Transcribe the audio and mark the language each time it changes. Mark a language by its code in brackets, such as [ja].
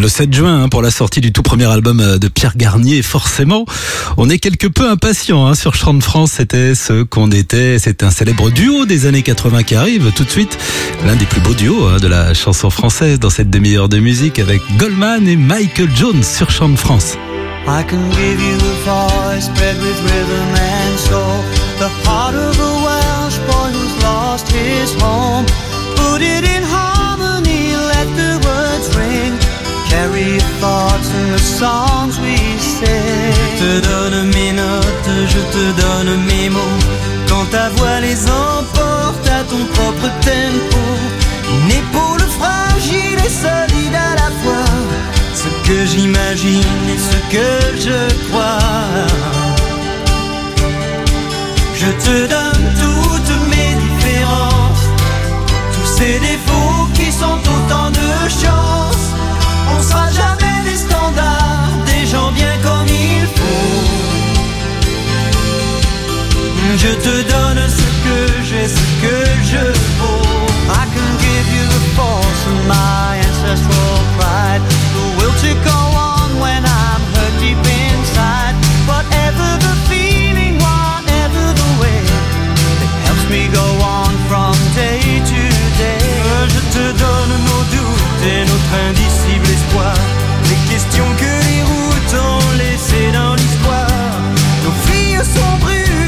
[fr] Le 7 juin, pour la sortie du tout premier album de Pierre Garnier, forcément. On est quelque peu impatients hein, sur Chant de France, c'était ce qu'on était. C'est un célèbre duo des années 80 qui arrive tout de suite. L'un des plus beaux duos hein, de la chanson française dans cette demi-heure de musique avec Goldman et Michael Jones sur Chant de France. [en] I can give you a voice bred with rhythm and soul. The heart of a Welsh boy who's lost his home. Put it in harmony, let the words ring. Carry thoughts in the songs we sing. [fr] Je te donne mes notes, je te donne mes mots. Quand ta voix les emporte à ton propre tempo. Une épaule fragile et solide à la fois. Ce que j'imagine et ce que je crois. Je te donne toutes mes différences. Tous ces défauts qui sont autant de chances. On sera jamais des standards, des gens bien comme il faut. Je te donne ce que j'ai, ce que je vaux. [en] I can give you the force of my ancestral pride. The will to go on when I'm hurt deep inside. Whatever the feeling, whatever the way, it helps me go on from day to day. [fr] Je te donne nos doutes et notre indicible espoir. Les questions que les routes ont laissées dans l'histoire. Nos filles sont brûlées.